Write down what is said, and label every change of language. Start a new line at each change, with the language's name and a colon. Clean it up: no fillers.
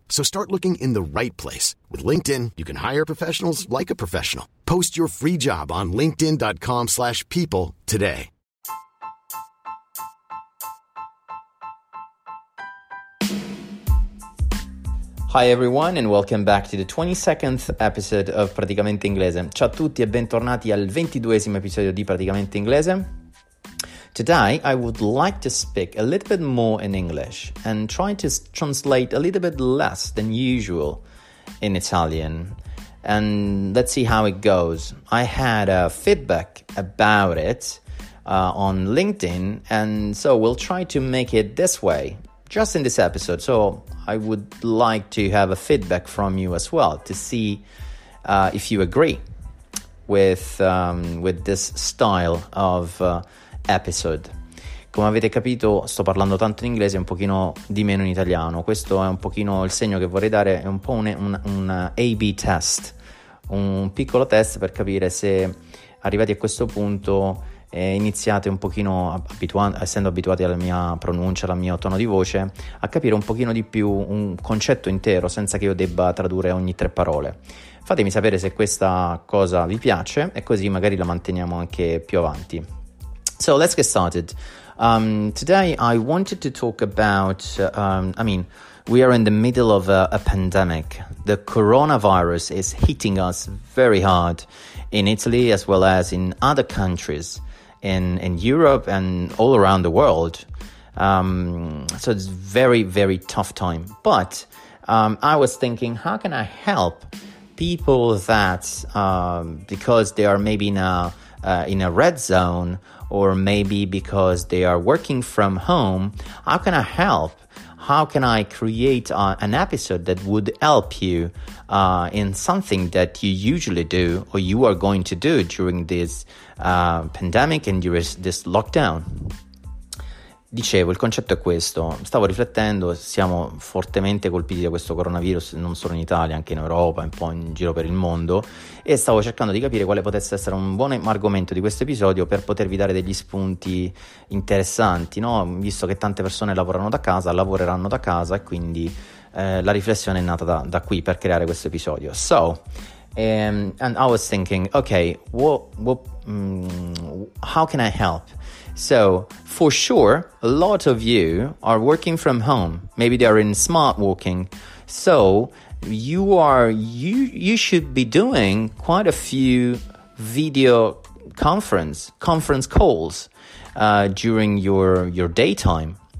English: So start looking in the right place. With LinkedIn, you can hire professionals like a professional. Post your free job on linkedin.com/people today. Hi everyone and welcome back to the 22nd episode of Praticamente Inglese.
Italian: Ciao a tutti e bentornati al 22esimo episodio di Praticamente Inglese.
English: Today I would like to speak a little bit more in English and try to translate a little bit less than usual in Italian. And let's see how it goes. I had a feedback about it on LinkedIn, and so we'll try to make it this way just in this episode. So I would like to have a feedback from you as well to see if you agree with this style of episode.
Italian: Come avete capito, sto parlando tanto in inglese e un pochino di meno in italiano. Questo è un pochino il segno che vorrei dare, è un po' un A-B test, un piccolo test per capire se arrivati a questo punto iniziate un pochino, essendo abituati alla mia pronuncia, al mio tono di voce, a capire un pochino di più un concetto intero senza che io debba tradurre ogni tre parole. Fatemi sapere se questa cosa vi piace e così magari la manteniamo anche più avanti.
English: So let's get started. Today I wanted to talk about, we are in the middle of a pandemic. The coronavirus is hitting us very hard in Italy as well as in other countries in Europe and all around the world. So it's very, very tough time. But I was thinking, how can I help people that, because they are maybe in a red zone, or maybe because they are working from home, how can I help? How can I create an episode that would help you in something that you usually do or you are going to do during this pandemic and during this lockdown?
Italian: Dicevo, il concetto è questo. Stavo riflettendo, siamo fortemente colpiti da questo coronavirus, non solo in Italia, anche in Europa, un po' in giro per il mondo, e stavo cercando di capire quale potesse essere un buon argomento di questo episodio per potervi dare degli spunti interessanti, no? Visto che tante persone lavorano da casa, lavoreranno da casa, e quindi la riflessione è nata da qui per creare questo episodio.
English: So, and I was thinking, okay, how can I help? So, for sure, a lot of you are working from home. Maybe they are in smart working. So, you should be doing quite a few video conference calls during your daytime.